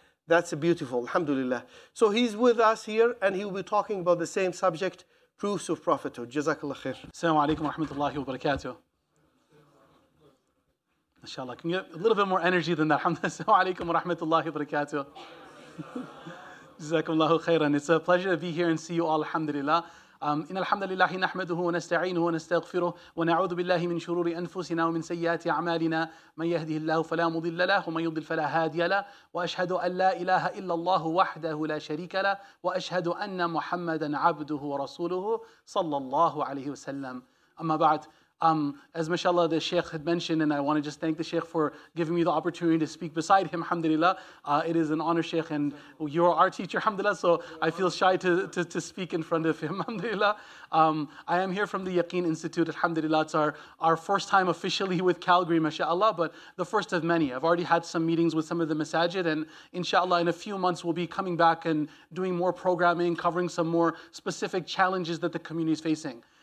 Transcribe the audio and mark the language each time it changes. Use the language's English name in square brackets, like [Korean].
[English] That's beautiful, alhamdulillah. So he's with us here, and he will be talking about the same subject, proofs of prophethood. Jazakallah khair. Assalamu alaikum wa rahmatullahi wa barakatuh. Inshallah, can you get a little bit more energy than that? Assalamu alaikum wa rahmatullahi wa barakatuh. Jazakumullahu khairan. It's a pleasure to be here and see you all, alhamdulillah. [Arabic] إن الحمد لله نحمده ونستعينه ونستغفره ونعوذ بالله من شرور أنفسنا ومن سيئات أعمالنا من يهده الله فلا مضل له ومن يضل فلا هادي له وأشهد أن لا إله إلا الله وحده لا شريك له وأشهد أن محمدا عبده ورسوله صلى الله عليه وسلم أما بعد [English] as mashallah the Sheikh had mentioned, and I want to just thank the Sheikh for giving me the opportunity to speak beside him, alhamdulillah. It is an honor, Sheikh, and you are our teacher, alhamdulillah, so I feel shy to speak in front of him, alhamdulillah. I am here from the Yaqeen Institute, alhamdulillah. It's our first time officially with Calgary, mashallah, but the first of many. I've already had some meetings with some of the masajid, and inshallah, in a few months, we'll be coming back and doing more programming, covering some more specific challenges that the community is facing.